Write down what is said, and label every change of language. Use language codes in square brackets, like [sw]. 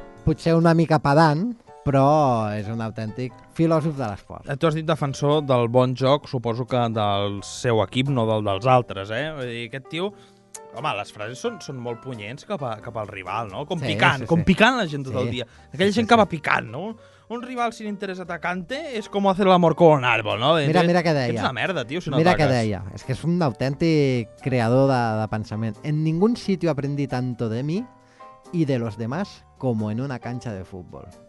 [ca] Potser una mica pedant, però és un autèntic filòsof de l'esport. Tu has dit defensor del bon joc, suposo que del seu equip, no dels altres, eh? Vull dir, aquest tio... Home, les frases són molt punyents cap al rival, no? Com sí, picant, sí, sí. Com picant la gent tot el dia. Aquella gent que va picant, no? [es] Un rival sin interés atacante [ca] és com [es] hacer l'amor con un árbol, no? [ca] Mira què deia. Ets una merda, tio, si no mira ataques. Mira què deia. És que és un autèntic creador de pensament. [es] En ningún sitio aprendí tanto de mí y de los demás como en una cancha de fútbol.